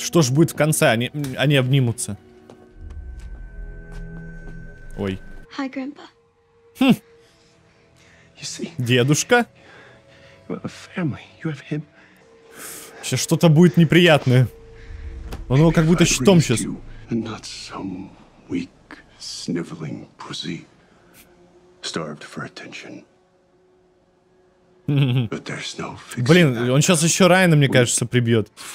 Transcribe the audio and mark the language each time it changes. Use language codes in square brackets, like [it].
[ru] Что ж будет в конце? Они обнимутся. Ой. [en] Hi, Grandpa. You see, [ru] дедушка? [en] You have a family. You have him. [ru] Сейчас что-то будет неприятное. Он его как будто щитом сейчас. [en] Not some weak, sniveling pussy, starved for attention. [ru] Блин, он сейчас еще Райана, мне кажется, прибьет.